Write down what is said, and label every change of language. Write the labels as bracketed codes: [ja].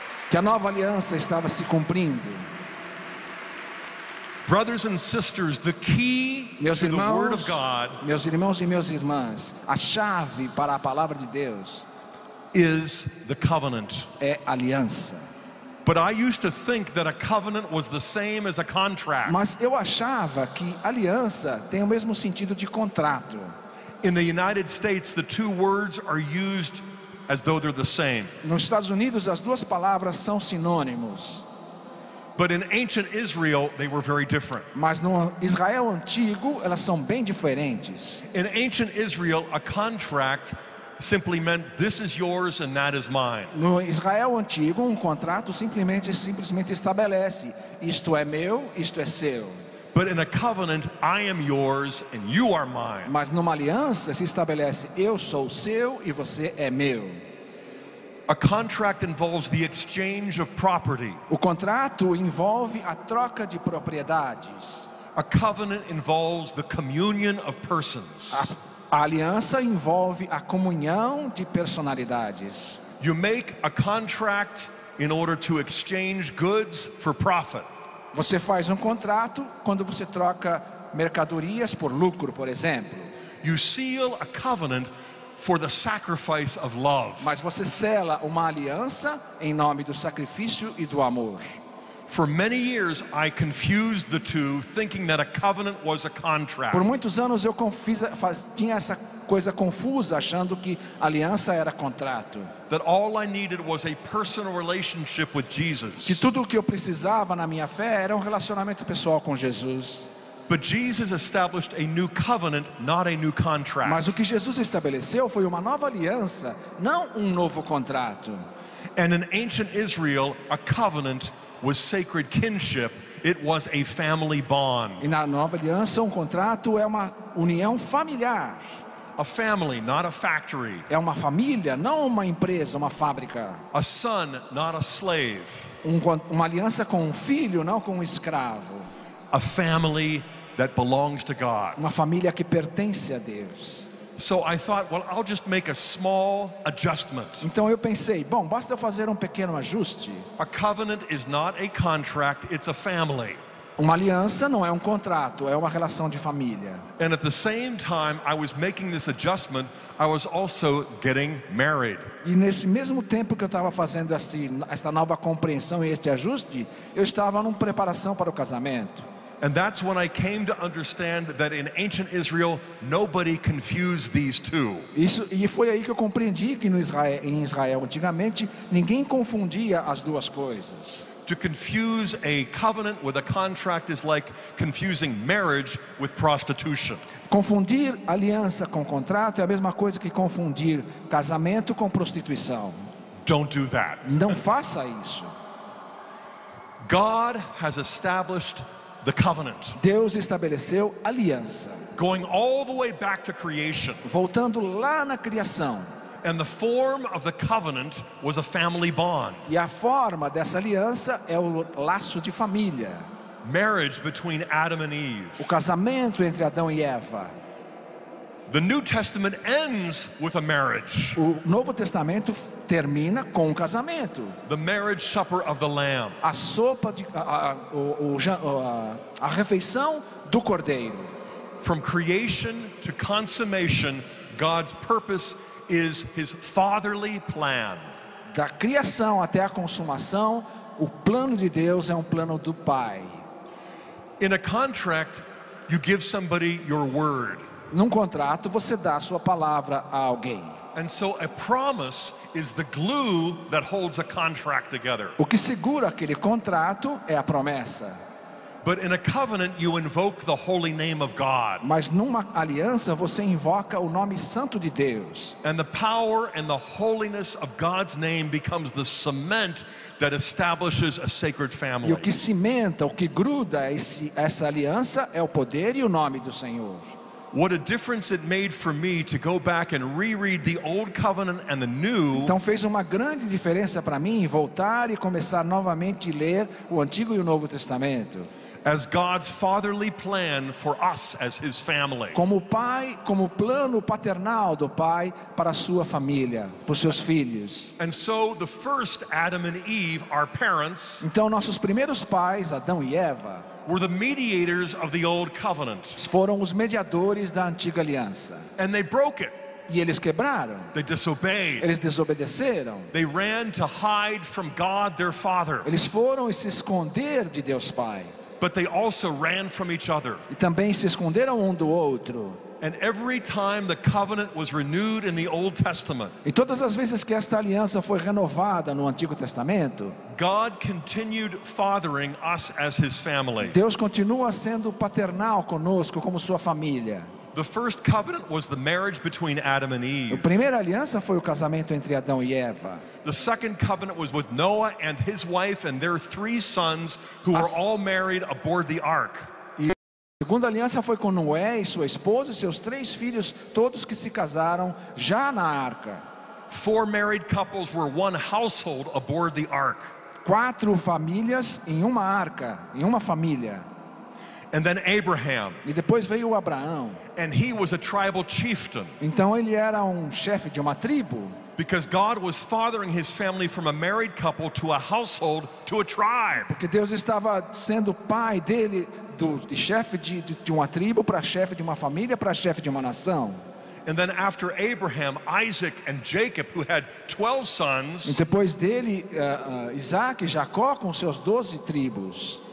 [pt] Que a nova aliança estava se cumprindo. [en] Brothers and sisters, the key [pt] meus irmãos, [en] to the word of God, [pt] meus irmãos e minhas irmãs, a chave para a palavra de Deus [en] is the covenant. [pt] É aliança. [en] But I used to think that a covenant was the same as a contract. [pt] Mas eu achava que aliança tem o mesmo sentido de contrato. [en] In the United States, the two words are used as though they're the same. [pt] Nos Estados Unidos as duas palavras são sinônimos. [en] But in ancient Israel they were very different. [pt] Mas no Israel antigo elas são bem diferentes. [en] In ancient Israel a contract simply meant this is yours and that is mine. [pt] No Israel antigo um contrato simplesmente estabelece isto é meu, isto é seu. [en] But in a covenant I am yours and you are mine. [pt] Mas numa aliança se estabelece eu sou seu e você é meu. [en] A contract involves the exchange of property. [pt] O contrato envolve a troca de propriedades. [en] A covenant involves the communion of persons. [pt] A aliança envolve a comunhão de personalidades. [en] You make a contract in order to exchange goods for profit. [pt] Você faz contrato quando você troca mercadorias por lucro, por exemplo. [en] You seal a covenant for the sacrifice of love. [pt] Mas você sela uma aliança em nome do sacrifício e do amor. [en] For many years I confused the two, thinking that a covenant was a contract. [pt] Por muitos anos eu tinha essa coisa confusa achando que aliança era contrato. [en] That all I needed was a personal relationship with Jesus. [pt] Que tudo o que eu precisava na minha fé era relacionamento pessoal com Jesus. [en] But Jesus established a new covenant, not a new contract. [pt] Mas o que Jesus estabeleceu foi uma nova aliança, não novo contrato. [en] And in ancient Israel, a covenant was sacred kinship. It was a family bond. [pt] E na nova aliança, contrato é uma união familiar. [en] A family, not a factory. [pt] É uma família, não uma empresa, uma fábrica. [en] A son, not a slave. [pt] Uma aliança com filho, não com escravo. [en] A family that belongs to God. [pt] Uma família que pertence a Deus. [en] So I thought, well, I'll just make a small adjustment. [pt] Então eu pensei, basta fazer pequeno ajuste. [en] A covenant is not a contract, it's a family. [pt] Uma aliança não é contrato, é uma relação de família. [en] And at the same time I was making this adjustment, I was also getting married. [pt] E nesse mesmo tempo que eu estava fazendo esta nova compreensão e este ajuste, eu estava numa preparação para o casamento. [en] And that's when I came to understand that in ancient Israel nobody confused these two. [pt] Isso e foi aí que eu compreendi que em Israel antigamente ninguém confundia as duas coisas. [en] To confuse a covenant with a contract is like confusing marriage with prostitution. [pt] Confundir aliança com contrato é a mesma coisa que confundir casamento com prostituição. [en] Don't do that. [pt] Não faça isso. [en] God has established the covenant. [pt] Deus estabeleceu aliança. [en] Going all the way back to creation. [pt] Voltando lá na criação. [en] And the form of the covenant was a family bond. [pt] E a forma dessa aliança é o laço de família. [en] Marriage between Adam and Eve. [pt] O casamento entre Adão e Eva. [en] The New Testament ends with a marriage. [pt] O Novo Testamento termina com um casamento. [en] The marriage supper of the Lamb. [pt] A sopa de a refeição do Cordeiro. [en] From creation to consummation, God's purpose is his fatherly plan. [pt] Da criação até a consumação, o plano de Deus é um plano do Pai. [en] In a contract, you give somebody your word. [pt] Num contrato, você dá a sua palavra a alguém. [en] And so a promise is the glue that holds a contract together. [pt] O que segura aquele contrato é a promessa. [en] But in a covenant, you invoke the holy name of God. [pt] Mas numa aliança, você invoca o nome santo de Deus. [en] And the power and the holiness of God's name becomes the cement that establishes a sacred family. [pt] E o que cimenta, o que gruda essa aliança é o poder e o nome do Senhor. [en] What a difference it made for me to go back and reread the old covenant and the new. [pt] Então fez uma grande diferença para mim voltar e começar novamente a ler o Antigo e o Novo Testamento. [en] As God's fatherly plan for us as his family. [pt] Como pai, como plano paternal do pai para a sua família, para os seus filhos. [en] And so the first Adam and Eve, our parents. [pt] Então nossos primeiros pais, Adão e Eva, [en] were the mediators of the old covenant. [pt] Foram os mediadores da antiga aliança. [en] And they broke it. [pt] E eles quebraram. [en] They disobeyed. [pt] Eles desobedeceram. [en] They ran to hide from God their father. [pt] Eles foram e se esconder de Deus Pai. [en] But they also ran from each other. [pt] E também se esconderam um do outro. [en] And every time the covenant was renewed in the Old Testament. [pt] E todas as vezes que esta aliança foi renovada no Antigo Testamento, [en] God continued fathering us as his family. [pt] Deus continua sendo paternal conosco como sua família. [en] The first covenant was the marriage between Adam and Eve. [pt] A primeira aliança foi o casamento entre Adão e Eva. [en] The second covenant was with Noah and his wife and their three sons who were all married aboard the ark. [pt] A segunda aliança foi com Noé e sua esposa e seus três filhos, todos que se casaram já na arca. [en] Four married couples were one household aboard the ark. [pt] Quatro famílias em uma arca, em uma família. [en] And then Abraham. [pt] E depois veio o Abraão. [en] And he was a tribal chieftain. [pt] Então ele era um chefe de uma tribo. [en] Because God was fathering his family from a married couple to a household to a tribe. [pt] Porque Deus estava sendo pai dele de chefe de uma tribo para chefe de uma família para chefe de uma nação. [en] And then after Abraham, Isaac and Jacob, who had 12 sons. [pt] E depois dele, Isaac e Jacó com seus 12 tribos.